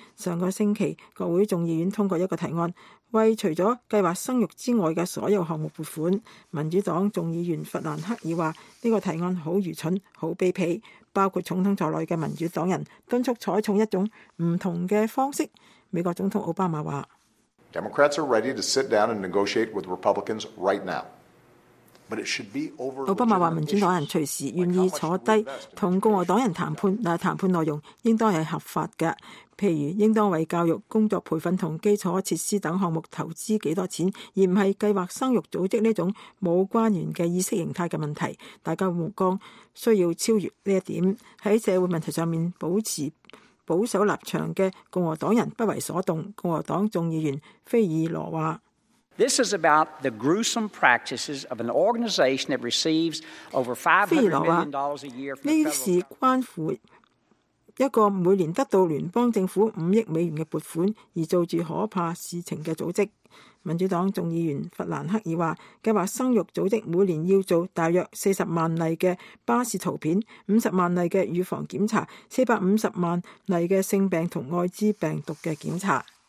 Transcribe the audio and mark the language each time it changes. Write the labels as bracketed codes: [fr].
[zh] 上个星期，国会众议院通过一个提案，为除了计划生育之外的所有项目拨款。民主党众议员弗兰克尔说，这个提案好愚蠢、好卑鄙。包括总统在内的民主党人敦促采取一种不同的方式。美国总统奥巴马说， [en] Democrats are ready to sit down and negotiate with Republicans right now. [zh] 奥巴马说，民主党人随时愿意坐低和共和党人谈判，但谈判内容应当是合法的，譬如应当为教育、工作培训和基础设施等项目投资多少钱，而不是计划生育组织这种无关联的意识形态的问题。大家目光需要超越这一点。在社会问题上面保持保守立场的共和党人不为所动。共和党众议员菲尔罗说， [en] This is about the gruesome practices of an organization that receives over $500 million a year from the federal government. [zh] 这是关乎一个每年得到联邦政府5亿美元的拨款而做着可怕事情的组织。民主党众议员弗兰克尔说，计划生育组织每年要做大约40,000例的巴士图片、500,000例的预防检查、450,000例的性病和艾滋病毒的检查。